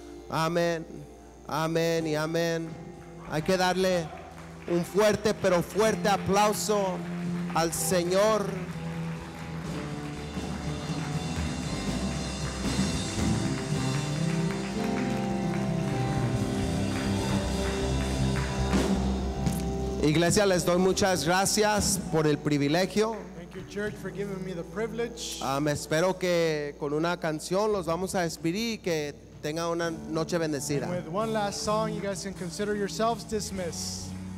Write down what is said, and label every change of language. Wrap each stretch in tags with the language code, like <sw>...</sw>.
<es>Amén, amén y amén. Hay que darle un fuerte, pero fuerte aplauso al Señor. Iglesia, les doy muchas gracias por el privilegio.</es> <en>Thank you, church, for giving me the privilege.</en> <es>Espero que con una canción los vamos a despedir y que tengan una noche bendecida.</es> <en>And with one last song, you guys can consider yourselves dismissed.</en>